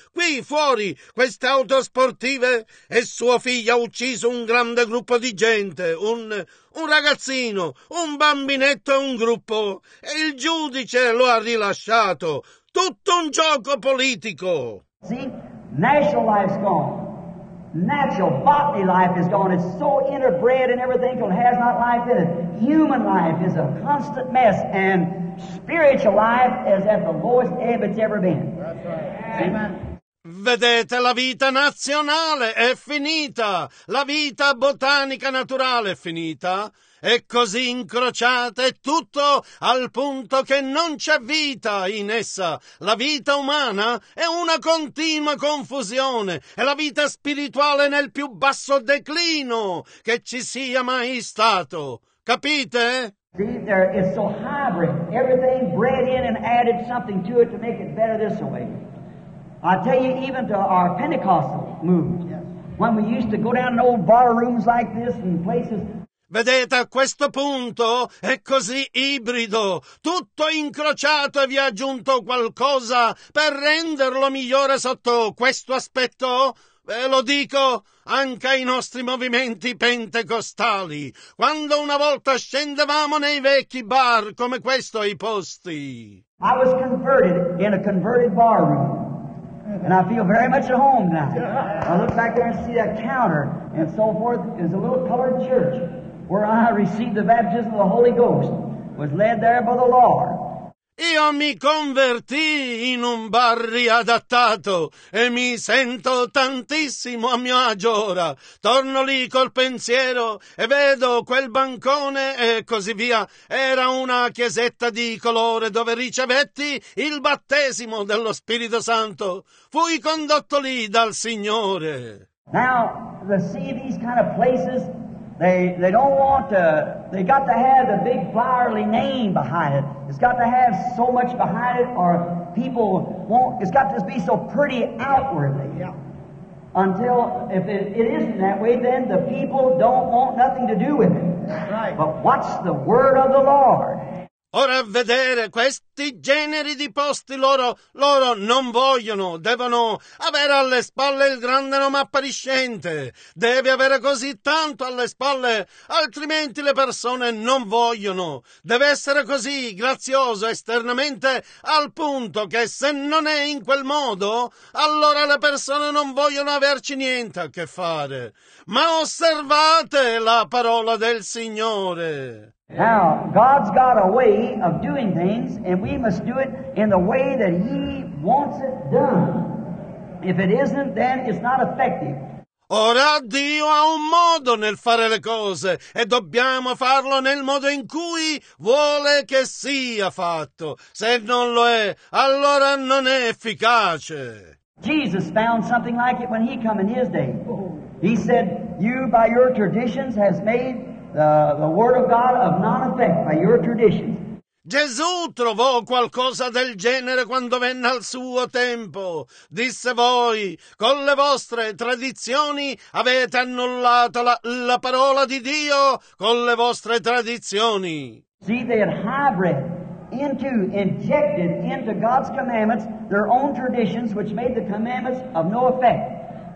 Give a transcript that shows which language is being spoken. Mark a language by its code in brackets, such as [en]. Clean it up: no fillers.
[it] Qui fuori, queste auto sportive, e suo figlio ha ucciso un grande gruppo di gente, un ragazzino, un bambinetto e un gruppo, e il giudice lo ha rilasciato. Tutto un gioco politico. [en] Sì, National Life's gone. Natural bodily life is gone. It's so interbred and everything that has not life in it. Human life is a constant mess, and spiritual life is at the lowest ebb it's ever been. That's right. Amen. [it] Vedete, la vita nazionale è finita, la vita botanica naturale è finita. È così incrociata, è tutto al punto che non c'è vita in essa. La vita umana è una continua confusione, è la vita spirituale nel più basso declino che ci sia mai stato. Capite? [en] See, there is so hybrid, everything bred in and added something to it to make it better this way. I tell you, even to our Pentecostal movement, when we used to go down in old bar rooms like this and places. [it] Vedete, a questo punto è così ibrido, tutto incrociato e vi ha aggiunto qualcosa per renderlo migliore sotto questo aspetto? Ve lo dico anche ai nostri movimenti pentecostali, quando una volta scendevamo nei vecchi bar come questo ai posti. [en] I was converted in a converted bar room. And I feel very much at home now. I look back there and see that counter and so forth. It's a little colored church where I received the baptism of the Holy Ghost, was led there by the Lord. [it] Io mi convertì in un bar riadattato e mi sento tantissimo a mio agio ora. Torno lì col pensiero e vedo quel bancone e così via. Era una chiesetta di colore dove ricevetti il battesimo dello Spirito Santo. Fui condotto lì dal Signore. [en] Now, the see these kind of places, they don't want to, they got to have the big flowery name behind it. It's got to have so much behind it, or people won't, it's got to be so pretty outwardly. Yeah. Until, if it isn't that way, then the people don't want nothing to do with it. Right. But what's the word of the Lord? [it] Ora a vedere questi generi di posti, loro non vogliono, devono avere alle spalle il grande nome appariscente, deve avere così tanto alle spalle, altrimenti le persone non vogliono, deve essere così grazioso esternamente al punto che se non è in quel modo, allora le persone non vogliono averci niente a che fare. Ma osservate la parola del Signore. [en] Now, God's got a way of doing things, and we must do it in the way that He wants it done. If it isn't, then it's not effective. [it] Ora Dio ha un modo nel fare le cose e dobbiamo farlo nel modo in cui vuole che sia fatto. Se non lo è, allora non è efficace. [en] Jesus found something like it when He came in His day. He said, "You by your traditions has made the word of God of non effect by your traditions." [it] Gesù trovò qualcosa del genere quando venne al suo tempo. Disse: voi con le vostre tradizioni avete annullato la parola di Dio con le vostre tradizioni. [en] See, they had hybrid into injected into God's commandments their own traditions, which made the commandments of no effect.